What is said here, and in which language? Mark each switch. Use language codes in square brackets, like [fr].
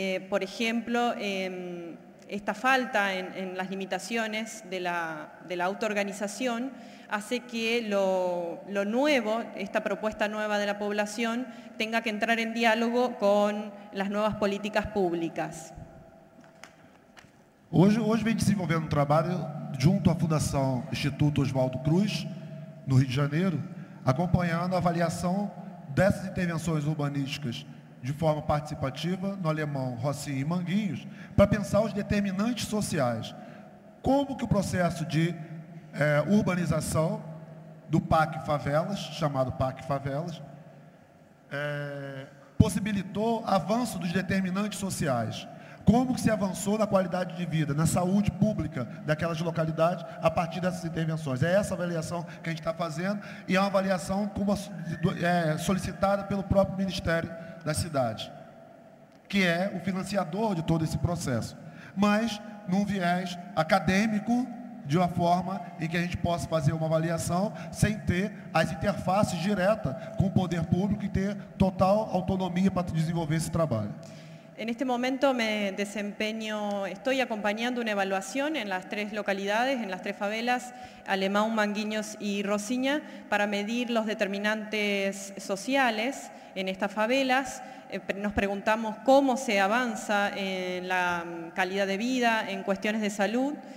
[es] Por ejemplo, esta falta en las limitaciones de la autoorganización hace que lo nuevo, esta propuesta nueva de la población, tenga que entrar en diálogo con las nuevas políticas públicas. [pt] Hoje vem desenvolvendo um trabalho junto à Fundação Instituto Oswaldo Cruz, no Rio de Janeiro, acompanhando a avaliação dessas intervenções urbanísticas de forma participativa, no alemão Rocinha e Manguinhos, para pensar os determinantes sociais. Como que o processo de urbanização do Parque Favelas, chamado Parque Favelas, possibilitou avanço dos determinantes sociais? Como que se avançou na qualidade de vida, na saúde pública daquelas localidades a partir dessas intervenções? É essa avaliação que a gente está fazendo e é uma avaliação como solicitada pelo próprio Ministério da Cidade, que é o financiador de todo esse processo, mas num viés acadêmico, de uma forma em que a gente possa fazer uma avaliação sem ter as interfaces diretas com o poder público e ter total autonomia para desenvolver esse trabalho. [es] En este momento me desempeño, estoy acompañando una evaluación en las tres localidades, en las tres favelas, Alemão, Manguinhos y Rocinha, para medir los determinantes sociales en estas favelas. Nos preguntamos cómo se avanza en la calidad de vida, en cuestiones de salud.